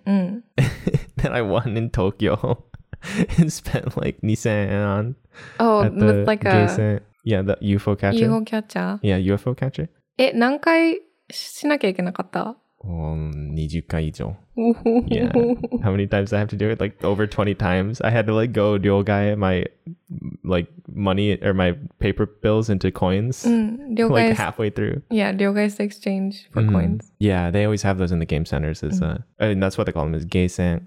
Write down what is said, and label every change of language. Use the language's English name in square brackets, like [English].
[English] Then I won in Tokyo and spent like 2,000 yen. Oh, with like Gaysen. A... Yeah, the UFO catcher. UFO catcher. Yeah, UFO catcher. [Japanese] It 何回しなきゃいけなかった? 20回以上.Yeah. [English] How many times I have to do it? Like over 20 times. I had to like go 両替 my like money or my paper bills into coins. Like halfway through. Yeah, 両替 exchange for coins. Yeah, they always have those in the game centers. And that's what they call them is Gaysen.